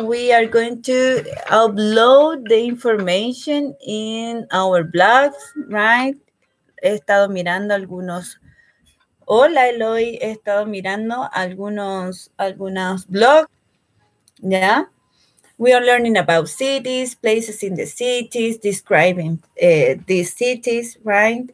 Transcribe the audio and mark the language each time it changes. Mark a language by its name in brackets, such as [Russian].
[English] We are going to upload the information in our blogs, right? [Spanish] He estado mirando algunos. Hola, Eloy, he estado mirando algunos blogs, ¿ya? [English] We are learning about cities, places in the cities, describing these cities, right?